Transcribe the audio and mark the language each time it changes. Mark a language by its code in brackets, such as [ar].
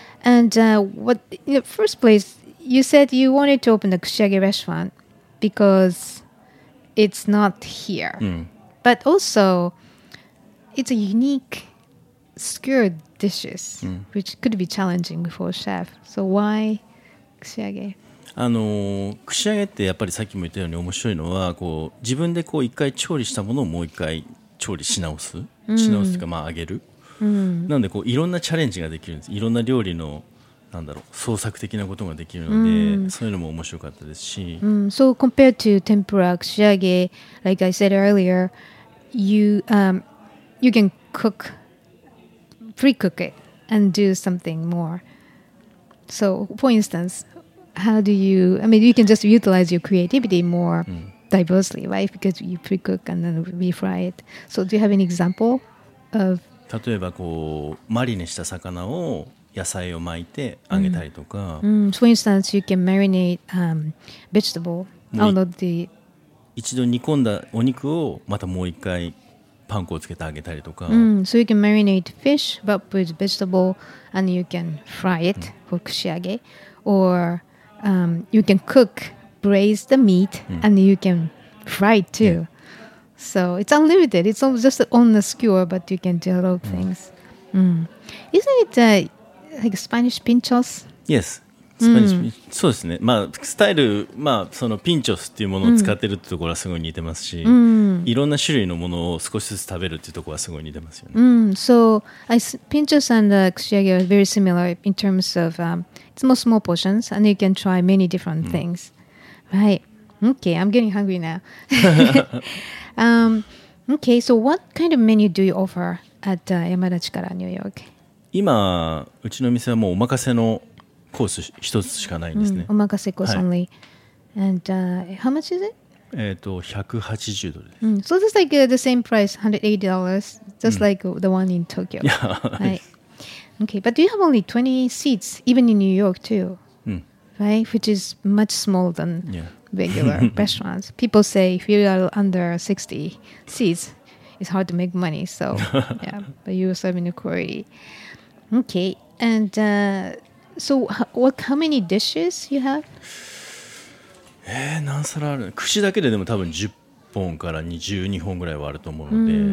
[en] And what in the first place you said you wanted to open the kushiyage restaurant. Because it's not here. But also, it's a unique skewered dishes, which could be challenging for a chef. So why kushiyage? [ja] Kushiyage ってやっぱりさっきも言ったように面白いのはこう自分でこう一回調理したものをもう一回調理し直す。し直すというかまあ揚げる。なのでこういろんなチャレンジができるんです。いろんな料理のなんだろう創作的なことができるので、そういうのも面白かったですし、 [en] So compared to tempura, kushiyage, like I said earlier, you can cook, pre-cook it, and do something more. So for instance, how do you? I mean, you can just utilize your creativity more diversely, right? Because you pre-cook and then refry it. So do you have an example of? [ja] 例えばこうマリネした魚を野菜を巻いて揚げたりとか、 [en] For instance, you can marinate vegetable out of the [ja] 一度煮込んだお肉をまたもう一回パン粉をつけて揚げたりとか、 [en] So you can marinate fish but with vegetable and you can fry it for kushiyage or you can cook braise the meat and you can fry it too. So it's unlimited. It's not just on the skewer but you can do a lot of things. Isn't it like Spanish pinchos? Yes. Spanish pinchos. [ja] そうですね。まあ、スタイル、まあ、そのピンチョスっていうものを使ってるってところはすごい似てますし、いろんな種類のものを少しずつ食べるっていうところはすごい似てますよね。 [en] So, pinchos and kushiyage are very similar in terms of, it's more small portions and you can try many different things. Right. Okay, I'm getting hungry now. okay, so what kind of menu do you offer at Yamada Chikara, New York? [ja] 今うちの店はもうお任せのコース一つしかないんですね。お任せコース only. [en] And how much is it? [ja] 180ドルです [en] So just like the same price, $180, just like the one in Tokyo. Yeah. Okay, but you have only 20 seats, even in New York too, right? Which is much smaller than regular restaurants. People say if you are under 60 seats, it's hard to make money. So yeah, but you are serving the quality. Okay, and so how many dishes you have? [ja] 何皿あるの？串だけででも多分10本から22本ぐらいはあると思うので。